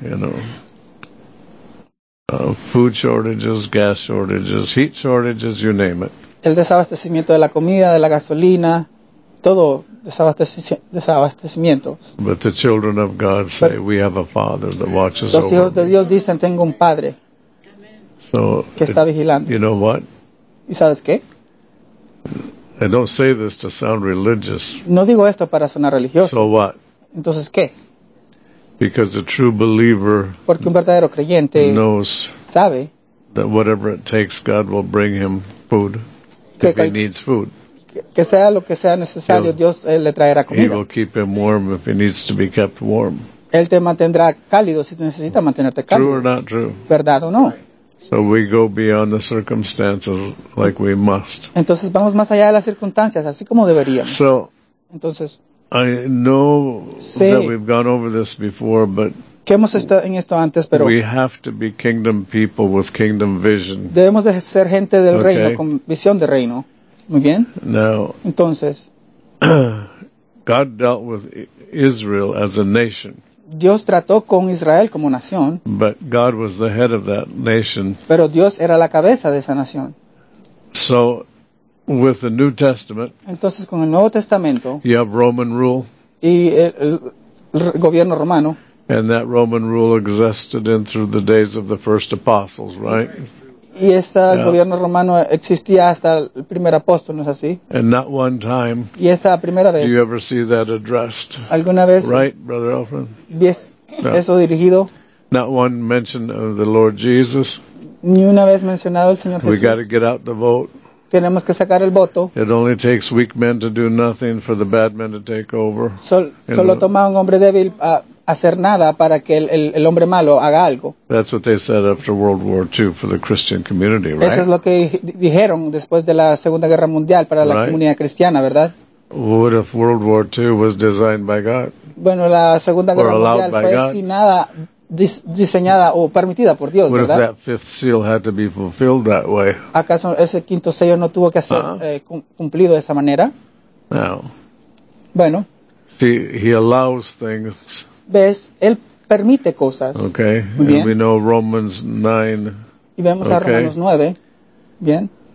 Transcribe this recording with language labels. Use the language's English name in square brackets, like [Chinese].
[English] You know, food shortages, gas shortages, heat shortages, you name it. [Spanish] El desabastecimiento de la comida, de la gasolina, todo desabastecimiento. [English] But the children of God say, we have a Father that watches over. [Spanish] Los hijos de Dios dicen, tengo un Padre que está vigilando. [English] You know what? [Spanish] ¿Y sabes qué? [English] I don't say this to sound religious. [Spanish] No digo esto para sonar religioso. [English] So what? [Spanish] Entonces, ¿qué? [English] Because a true believer [Spanish] porque un verdadero creyente [English] knows [Spanish] sabe [English] that whatever it takes, God will bring him food. If he needs food, [Spanish] que sea lo que sea necesario, he'll, Dios le traerá comida. [English] He will keep him warm if he needs to be kept warm. [Spanish] Él te mantendrá cálido si necesita mantenerte cálido. [English] True or not true? [Spanish] ¿Verdad o no? [English] So we go beyond the circumstances like we must. [Spanish] Entonces vamos más allá de las circunstancias, así como deberíamos. [English] So, [Spanish] entonces, [English] I know that we've gone over this before, but [Spanish] que hemos estado en esto antes, pero [English] we have to be kingdom people with kingdom vision. [Spanish] Debemos de ser gente del okay. reino con visión de reino. Muy bien. [English] Now, [Spanish] entonces, [English] God dealt with Israel as a nation. [Spanish] Dios trató con Israel como nación. [English] But God was the head of that nation. [Spanish] Pero Dios era la cabeza de esa nación. [English] So, with the New Testament, [Spanish] entonces con el Nuevo Testamento, [English] you have Roman rule. [Spanish] Y el gobierno romano. [English] And that Roman rule existed in through the days of the first apostles, right? [Spanish] Y ese gobierno romano existía hasta el primer apóstol, ¿no es así? [English] And not one time. [Spanish] Y esa primera vez. [English] Do you ever see that addressed? [Spanish] ¿Alguna vez? [English] Right, Brother Alfred. Yes. No. [Spanish] Eso dirigido. [English] Not one mention of the Lord Jesus. [Spanish] Ni una vez mencionado el Señor Jesús. [English] We got to get out the vote. [Spanish] Tenemos que sacar el voto. [English] It only takes weak men to do nothing for the bad men to take over. [Spanish] Solo toma un hombre débil a hacer nada para que el hombre malo haga algo. [English] That's what they said after World War II for the Christian community, right? [Spanish] Eso es lo que dijeron después de la Segunda Guerra Mundial para la comunidad cristiana, ¿verdad? [English] What if World War II was designed by God? [Spanish] Bueno, la Segunda Guerra Mundial fue designada, diseñada o permitida por Dios, ¿verdad? [English] What if that fifth seal had to be fulfilled that way? [Spanish] ¿Acaso ese quinto sello no tuvo que ser cumplido de esa manera? [English] No. [Spanish] Bueno. [English] See, he allows things. [Spanish] ¿Ves? Él permite cosas. [English] Okay. [Spanish] Muy bien. [English] And we know Romans 9. [Spanish] Y vemos [English] okay. [Spanish] a Romanos 9. Bien.